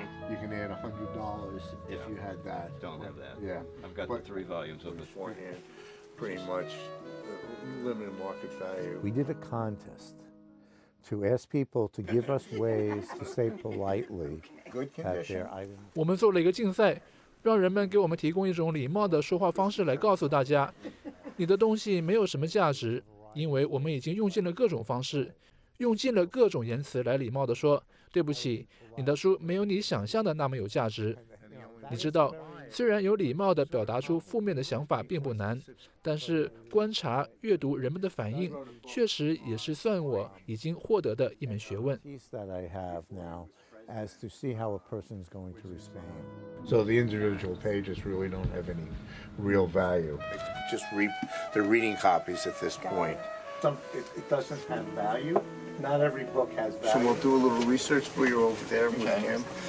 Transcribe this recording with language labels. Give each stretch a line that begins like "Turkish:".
English: You can add $100 if you had that. Don't have that. Yeah. I've got the 3 volumes of this one. Pretty much limited market value. We did a contest. To ask people to give us ways to say politely that their item.
Chinese: 我们做了一个竞赛，让人们给我们提供一种礼貌的说话方式来告诉大家，你的东西没有什么价值，因为我们已经用尽了各种方式，用尽了各种言辞来礼貌地说，对不起，你的书没有你想象的那么有价值。你知道，虽然有礼貌地表达出负面的想法并不难，但是观察阅读人们的反应，确实也是算我已经获得的一门学问。
English: So the individual pages really don't have any real value. Just read the reading copies at this point. It doesn't have value. Not every book has value. So we'll do a little research for you over there with him.